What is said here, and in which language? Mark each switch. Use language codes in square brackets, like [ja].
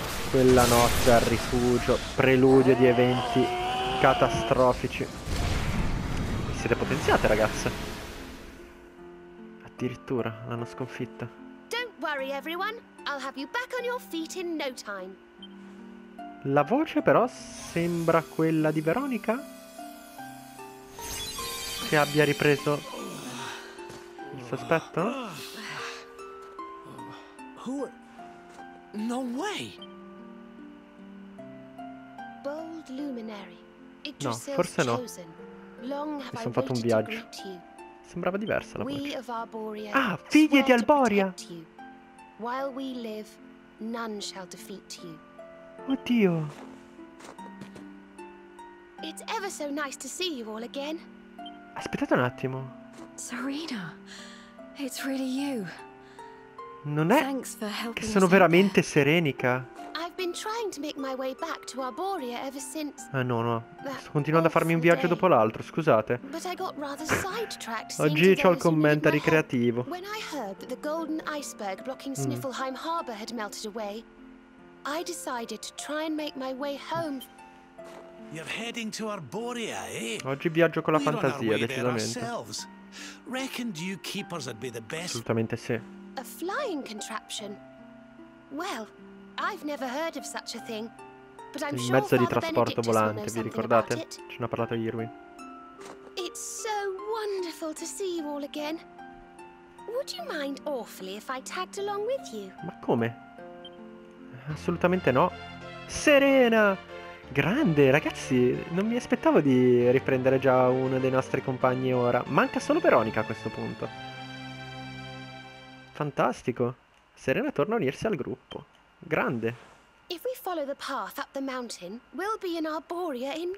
[it] Quella notte al rifugio, preludio di eventi catastrofici. Siete potenziate, ragazze. Addirittura l'hanno sconfitta. [en] Don't worry everyone, I'll have you back on your feet in no time. [it] La voce però sembra quella di Veronica, che abbia ripreso il sospetto. [en] Who? No way. Bold luminary. [it] No, forse no. Mi sono fatto un viaggio. Sembrava diversa la voce. Ah, figlie di Alboria! Oddio! [en] It's ever so nice to see you all again. [it] Aspettate un attimo. [en] Serena, it's really you. [it] Non è che sono veramente Serenica. [en] I've been trying to make my way back to Arboria ever since. [it] Ah no, no. Sto continuando a farmi un viaggio dopo l'altro, scusate. [en] But I got rather sidetracked. [it] Oggi c'ho il commento ricreativo. [en] When I heard that the golden iceberg blocking Sniffleheim Harbor had melted away, I decided to try and make my way home. You're heading to Arboria, eh? [it] Oggi viaggio con la fantasia, decisamente. [en] Reckoned you keepers would be the best. [it] Assolutamente sì. [en] A flying contraption. Well, I've never heard of such a thing. But I'm sure [it] mezzo di trasporto volante, vi ricordate? Ce ne ha parlato Irwin. [en] It's so wonderful to see you all again. Would you mind awfully if I tagged along with you? [it] Ma come? assolutamente no. Serena! Grande, ragazzi, non mi aspettavo di riprendere già uno dei nostri compagni ora. Manca solo Veronica a questo punto. Fantastico. Serena torna a unirsi al gruppo. Grande. [en] If we follow the path up the mountain, we'll be in Arboria in no time.